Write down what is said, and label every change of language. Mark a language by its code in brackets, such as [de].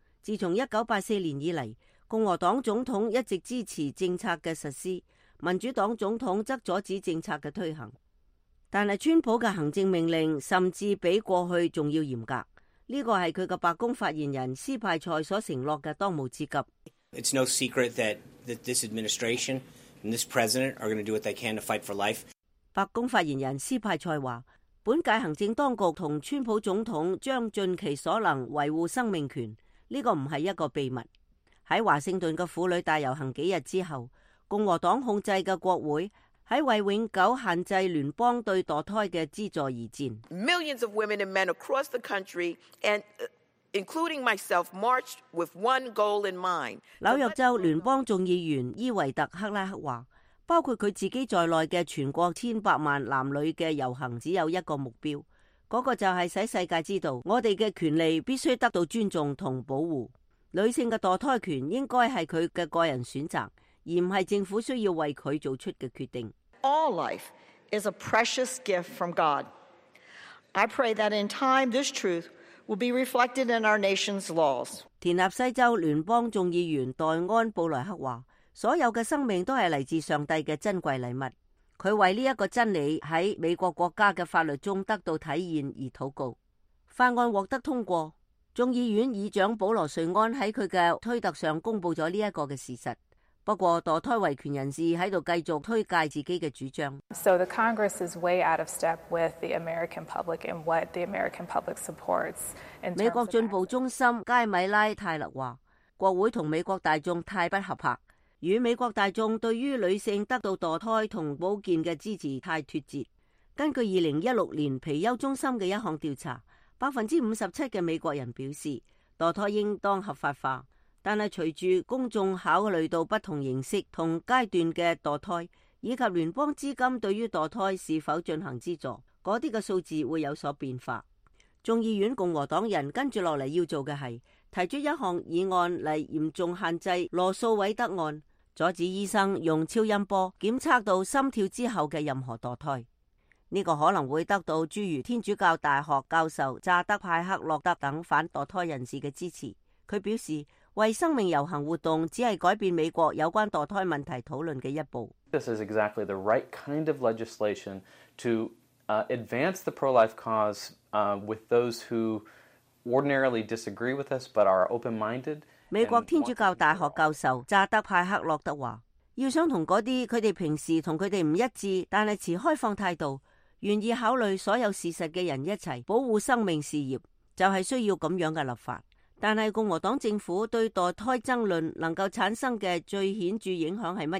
[zh] 自从1984年以来，共和党总统一直支持政策的实施，民主党总统则阻止政策的推行。但是川普的行政命令甚至比过去还要严格，这个是他的白宫发言人斯派塞所承诺的当务之急。 [en] It's no secret that this administration and this president are going to do what they can to fight for life. [zh] 白宫发言人斯派塞说，本届行政当局和川普总统将尽其所能维护生命权，这个不是一个秘密。在华盛顿的妇女大游行几日之后，共和党控制的国会在为永久限制联邦对堕胎的资助而战。 [en] Millions of women and men across the country and including myself marched with one goal in mind. [zh] 纽约州联邦众议员伊维特·克拉克说，包括他自己在内的全国千百万男女的游行只有一个目标，那个就是使世界知道我们的权利必须得到尊重和保护。女性的堕胎权应该是她的个人选择，而不是政府需要为她做出的决定。 [en] All life is a precious gift from God. I pray that in time this truth will be reflected in our nation's laws. [zh] 田纳西州联邦众议员黛安·布莱克说，所有的生命都是来自上帝的珍贵礼物。她为这个真理在美国国家的法律中得到体现而祷告。法案获得通过，众议院议长保罗瑞安在他的推特上公布了这个事实。不过堕胎维权人士在继续推介自己的主张。 [en] So the Congress is way out of step with the American public and what the American public supports. [zh] 美国进步中心佳米拉·泰勒说，国会和美国大众太不合拍，与美国大众对于女性得到堕胎和保健的支持太脱节。根据2016年皮丘中心的一项调查，57%的美国人表示堕胎应当合法化，但是随着公众考虑到不同形式和阶段的堕胎，以及联邦资金对于堕胎是否进行资助，那些数字会有所变化。众议院共和党人跟着下来要做的是提出一项议案来严重限制罗素韦德案，阻止医生用超音波检测到心跳之后的任何堕胎。这个可能会得到诸如天主教大学教授扎德派克洛德等反堕胎人士的支持。他表示，为生命游行活动只是改变美国有关堕胎问题讨论的一步。 [en] This is exactly the right kind of legislation to advance the pro-life cause with those who ordinarily disagree with us but are open-minded. [zh] 美国天主教大学教授扎德派克洛德说，要想同那些他们平时同他们不一致但是持开放态度愿意考虑所有事实的人一起保护生命事业，就是需要这样的立法。但是共和党政府对堕胎争论能够产生的最显著影响是什么？